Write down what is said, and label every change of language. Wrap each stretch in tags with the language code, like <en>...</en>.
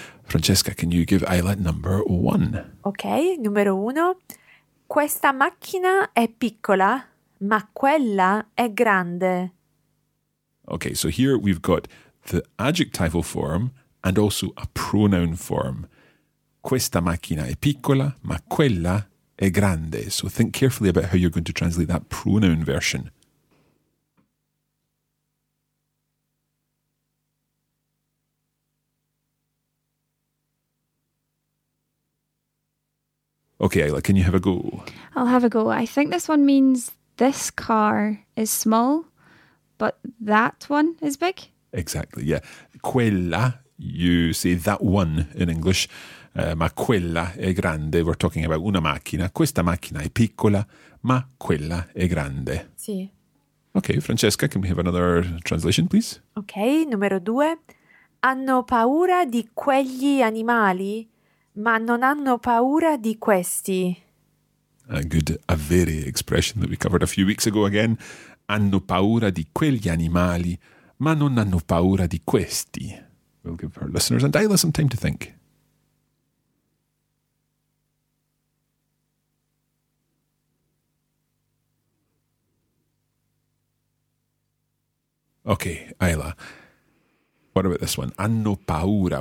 <en>Francesca, can you give Ayla number one?</en> <it>Okay, numero uno. Questa macchina è piccola. Ma quella è grande.</it> <en>Okay, so here we've got the adjectival form and also a pronoun form.</en> <it>Questa macchina è piccola, ma quella è grande.</it> <en>So think carefully about how you're going to translate that pronoun version. Okay, Ayla, can you have a go? I'll have a go. I think this one means this car is small, but that one is big. Exactly, yeah. Quella, you say that one in English,</en> <it>ma quella è grande.</it> <en>We're talking about una macchina.</en> <it>Questa macchina è piccola, ma quella è grande. Sì.</it> <en>Okay, Francesca, can we have another translation, please?</en> <it>Okay, numero due. Hanno paura di quegli animali, ma non hanno paura di questi.</it> <en>A good avere expression that we covered a few weeks ago again.</en> <it>Hanno paura di quegli animali, ma non hanno paura di questi.</it> <en>We'll give our listeners and Ayla some time to think. Okay, Ayla. What about this one?</en> <it>Hanno paura.</it>